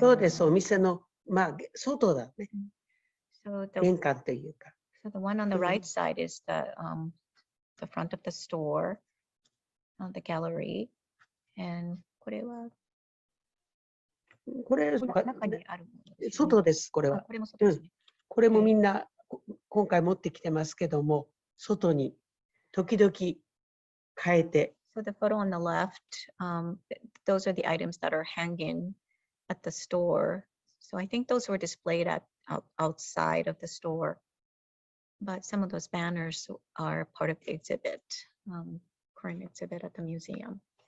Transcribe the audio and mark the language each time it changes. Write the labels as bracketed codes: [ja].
[ja] に。そうです、お店の、まあ、外だね。 [en] So、the, [ja] 玄関というか。 [en] So the one on the right side is the,、the front of the store, the gallery. And [ja] これは、これ、中にあるものです、ね、外です、これは。これも外ですね。これもみんな、今回持ってきてますけども、外に時々変えて、 [en] So the photo on the left, those are the items that are hanging at the store. So I think those were displayed at outside of the store. But some of those banners are part of the exhibit, current exhibit at the museum.